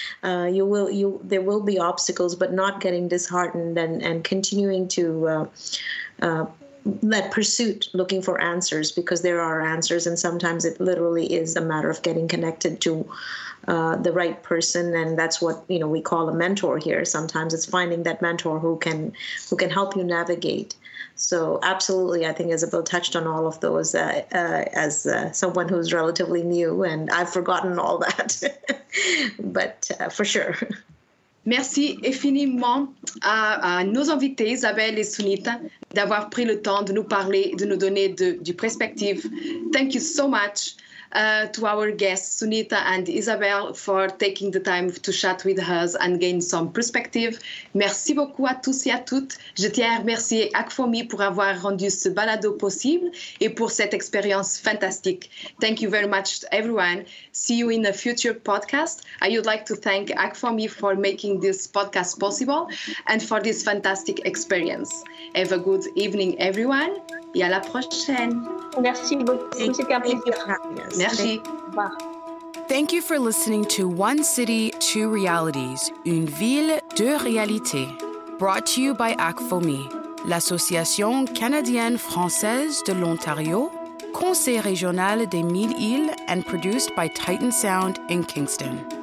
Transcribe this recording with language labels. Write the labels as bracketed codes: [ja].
[en] There will be obstacles, but not getting disheartened and continuing to that pursuit, looking for answers, because there are answers, and sometimes it literally is a matter of getting connected to the right person, and that's what we call a mentor here. Sometimes it's finding that mentor who can help you navigate. So absolutely, I think Isabel touched on all of those as someone who's relatively new, and I've forgotten all that, but for sure. [fr] Merci infiniment à nos invités, Isabel et Sunita, d'avoir pris le temps de nous parler, de nous donner du perspective. [en] Thank you so much to our guests, Sunita and Isabel, for taking the time to chat with us and gain some perspective. [fr] Merci beaucoup à tous et à toutes. Je tiens à remercier ACFOMI pour avoir rendu ce balado possible et pour cette expérience fantastique. [en] Thank you very much, everyone. See you in a future podcast. I would like to thank ACFOMI for making this podcast possible and for this fantastic experience. Have a good evening, everyone. [fr] Et à la prochaine. Merci beaucoup. [en] Merci. Thank you for listening to One City, Two Realities, Une Ville, Deux Réalités, brought to you by ACFOMI, l'Association canadienne française de l'Ontario, Conseil régional des Mille Îles, and produced by Titan Sound in Kingston.